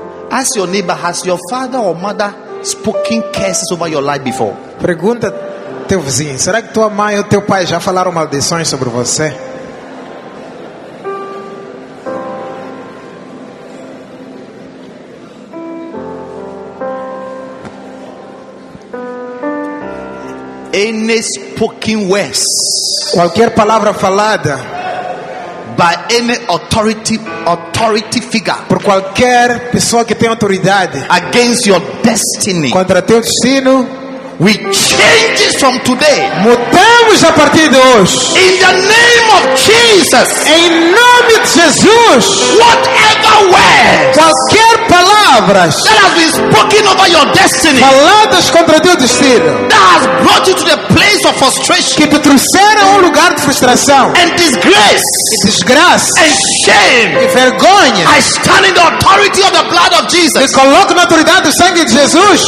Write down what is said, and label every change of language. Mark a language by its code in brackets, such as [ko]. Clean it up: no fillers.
[en] Ask your neighbor, has your father or mother spoken curses over your life before? [pt] Pergunta teu vizinho, será que tua mãe ou teu pai já falaram maldições sobre você? [en] Any spoken words, [pt] qualquer palavra falada, [en] by any authority figure, [pt] por qualquer pessoa que tem autoridade, [en] against your destiny, [pt] contra teu destino, [en] we change it from today. [pt] Mudamos a partir de hoje. [en] In the name of Jesus. [pt] Em nome de Jesus. [en] Whatever words, [pt] qualquer palavras, [en] that has been spoken over your destiny, [pt] faladas contra teu destino, [en] that has brought you to the place of frustration, [pt] que te trouxeram a lugar de frustração, [en] and disgrace, [pt] e desgraça, [en] and shame, [pt] e vergonha, [en] I stand in the authority of the blood of Jesus. [pt] Me coloco na autoridade do sangue de Jesus.